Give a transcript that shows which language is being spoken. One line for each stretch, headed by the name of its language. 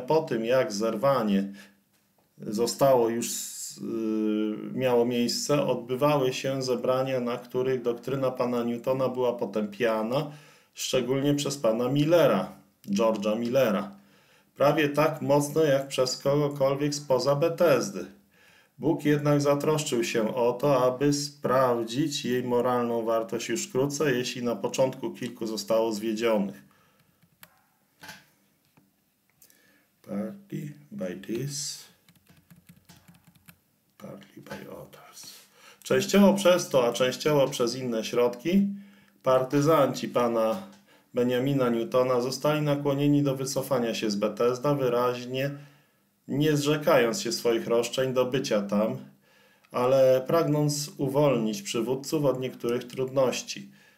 Polish: Po tym, jak zerwanie zostało już miało miejsce, odbywały się zebrania, na których doktryna pana Newtona była potępiana, szczególnie przez pana Millera, George'a Millera, prawie tak mocno jak przez kogokolwiek spoza Bethesdy. Bóg jednak zatroszczył się o to, aby sprawdzić jej moralną wartość już wkrótce, jeśli na początku kilku zostało zwiedzionych.
English: Partly by this, partly by others.
Polish: Częściowo przez to, a częściowo przez inne środki, partyzanci pana Benjamina Newtona zostali nakłonieni do wycofania się z Bethesda, wyraźnie nie zrzekając się swoich roszczeń do bycia tam, ale pragnąc uwolnić przywódców od niektórych trudności.